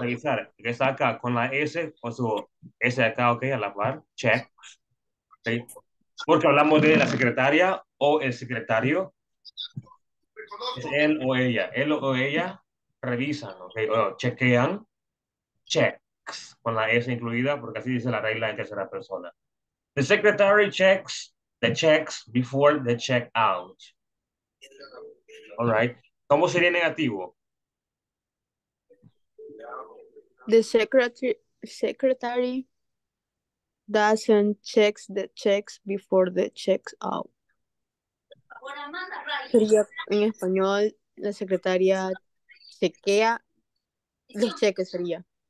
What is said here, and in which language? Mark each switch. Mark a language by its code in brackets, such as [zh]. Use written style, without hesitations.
[es] Revisar, el que está acá con la S o su S acá, ok, a la par. Check. Okay. Porque hablamos de la secretaria o el secretario. Es él o ella. Él o ella revisan, ok. O chequean. Checks. Con la S incluida, porque así dice la regla en tercera persona. [en] The secretary checks the checks before the check out. All right. [es] ¿Cómo sería negativo? [en] The secretary doesn't check the checks before the check out. [es] Sería en español, la secretaria chequea los cheques, sería.